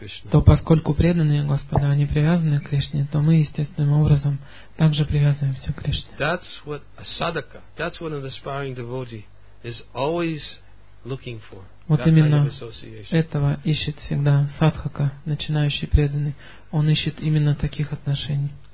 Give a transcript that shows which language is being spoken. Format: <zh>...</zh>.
<ru>то поскольку преданные Господа, они привязаны к Кришне, то мы естественным образом также привязываемся к Кришне.</ru> <en>That's what a sadhaka, that's what an aspiring devotee is always looking for.</en> <ru>Вот именно этого ищет всегда садхака, начинающий преданный. Он ищет именно таких отношений.</ru>